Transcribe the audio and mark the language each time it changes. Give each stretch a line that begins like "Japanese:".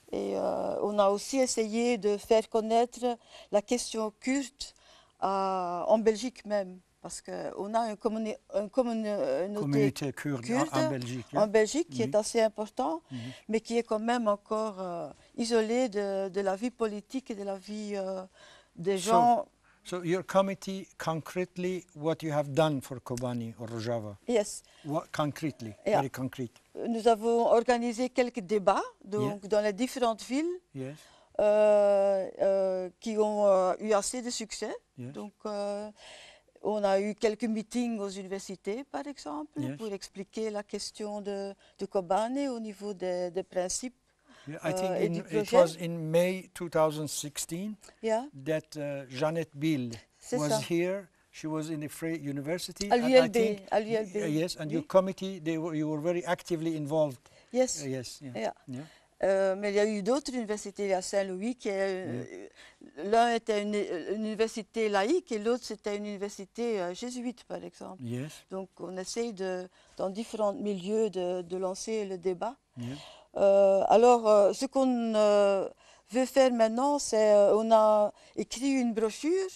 French: Et on a aussi essayé de faire connaître la question kurde en Belgique même. Parce qu'on a une communauté kurde en Belgique, en Belgique qui est assez important, mais qui est quand même encore isolée de la vie politique et de la vie des gens.
English: So your committee, concretely, what you have done for Kobani or Rojava? Yes. What, concretely, yeah. Very concrete.
French: Nous avons organisé quelques débats donc dans les différentes villes.
English: Yes.
French: Qui ont eu assez de succès.
English: Yes.
French: Donc, on a eu quelques meetings aux universités, par exemple,
English: yes,
French: pour expliquer la question de Kobani au niveau des principes.
English: Yeah, I think in,
French: du projet.
English: It was in May 2016 that Jeanette Bill was here. She was in a free university.
French: À l'ULB. À l'ULB.
English: Yes, and your committee, you were very actively involved. Yes. Yes. Yeah. Yeah. Yeah.
French: Mais il y a eu d'autres universités, il y a Saint-Louis, qui est, l'un était une université laïque et l'autre c'était une université jésuite, par exemple.
English: Yes.
French: Donc on essaye, de, dans différents milieux, de lancer le débat.
English: Yes.
French: Alors, ce qu'on veut faire maintenant, c'est qu'on a écrit une brochure